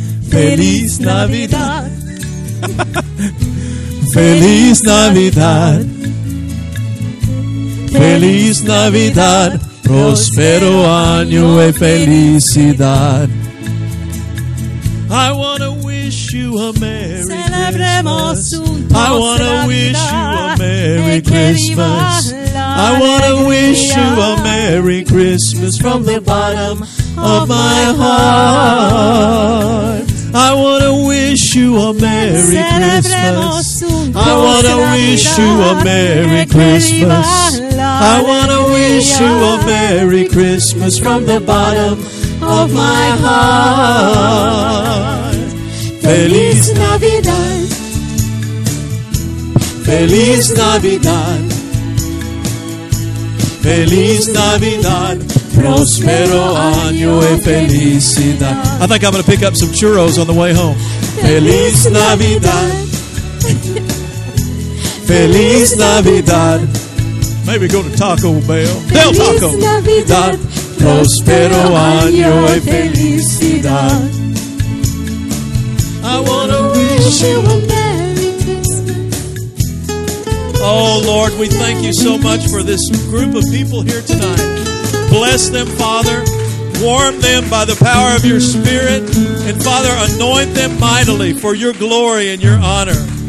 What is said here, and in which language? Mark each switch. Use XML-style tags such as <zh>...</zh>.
<es>Feliz Navidad, Feliz Navidad, Feliz Navidad, Prospero año y felicidad.</es> <en>I want to wish you a Merry Christmas. I want to wish you a Merry Christmas. I want to wish you a Merry Christmas from the bottom of my heart. I want to wish you a Merry Christmas. I want to wish you a Merry Christmas. I want to wish you a Merry Christmas from the bottom of my heart.</en> <es>Feliz Navidad. Feliz Navidad. Feliz Navidad. Prospero año y felicidad.</es> <en>I think I'm going to pick up some churros on the way home.</en> <es>Feliz Navidad. Feliz Navidad.</es> <en>Maybe go to Taco Bell.</en> <es>Del Taco. Feliz Navidad. Prospero año y felicidad.</es> <en>I want to wish you a Merry Christmas. Oh, Lord, we thank you so much for this group of people here tonight. Bless them, Father. Warm them by the power of your Spirit. And, Father, anoint them mightily for your glory and your honor.</en>